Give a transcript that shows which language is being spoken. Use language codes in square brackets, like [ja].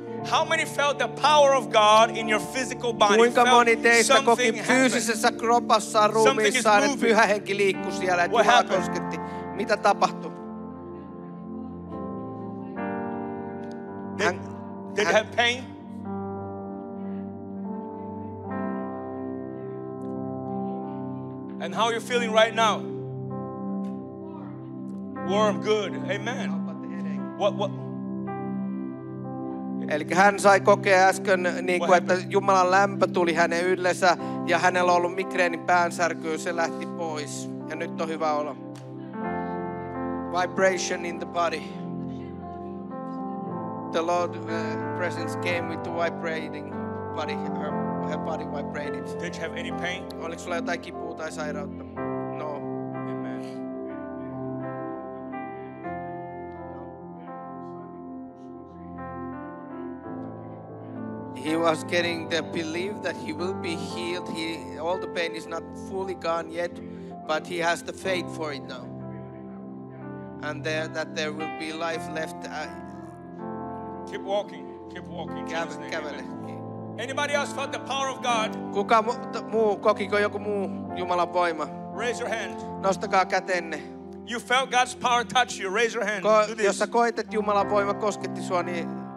[en] How many felt the power of God in your physical body? [fi] Kuinka moni teistä koki fyysisessä kropassa ruumiissa, että Pyhä Henki liikkui siellä, että Jumala kosketti? Mitä tapahtui? [en] Did you have pain? And how are you feeling right now? Warm, good. Amen. What? [fi] Elikkä hän sai kokea äsken niin kuin, että Jumalan lämpö tuli hänen yllensä ja hänellä on ollut migreenin päänsärky, se lähti pois ja nyt on hyvä olo. [en] Vibration in the body. The Lord presence came with the vibrating body. Her body vibrated. Did you have any pain? [fi] Oliko sulla jotain kipua tai sairautta? No. [en] Amen. He was getting the belief that he will be healed. All the pain is not fully gone yet, but he has the faith for it now. And that there will be life left. Keep walking. [fi] Kävele. [en] Anybody else felt the power of God? [fi] Kuka muu kokiko joku muu Jumalan voima? [en] Raise your hand. [fi] Nostakaa kätenne. [en] You felt God's power touch you. Raise your hand. [fi] Jos sä koet, että Jumalan voima kosketti sua, niin